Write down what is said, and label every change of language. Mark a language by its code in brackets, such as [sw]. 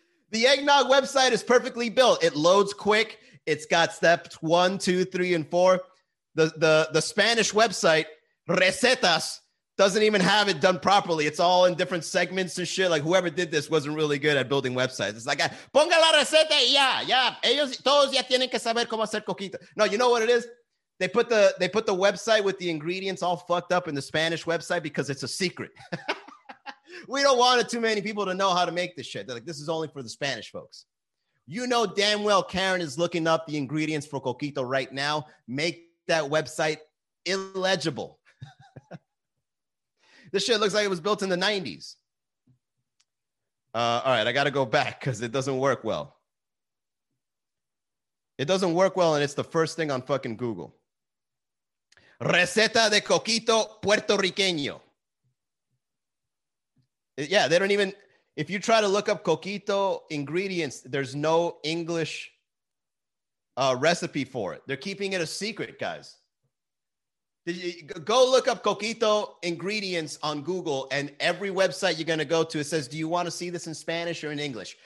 [en] The eggnog website is perfectly built. It loads quick. It's got steps 1, 2, 3, and 4. The Spanish website, Recetas, doesn't even have it done properly. It's all in different segments and shit. Like whoever did this wasn't really good at building websites. It's like, [es] ponga la receta y ya, ya. Ellos todos ya tienen que saber cómo hacer coquito. [en] No, you know what it is? They put the website with the ingredients all fucked up in the Spanish website because it's a secret. We don't want it too many people to know how to make this shit. They're like, this is only for the Spanish folks. You know damn well Karen is looking up the ingredients for coquito right now. Make that website illegible. This shit looks like it was built in the 90s. All right, I got to go back because it doesn't work well. It doesn't work well, and it's the first thing on fucking Google. [es] Receta de coquito puertorriqueño. [en] Yeah, they don't even, if you try to look up coquito ingredients, there's no English recipe for it. They're keeping it a secret, guys. Go look up coquito ingredients on Google, and every website you're going to go to, it says, do you want to see this in Spanish or in English?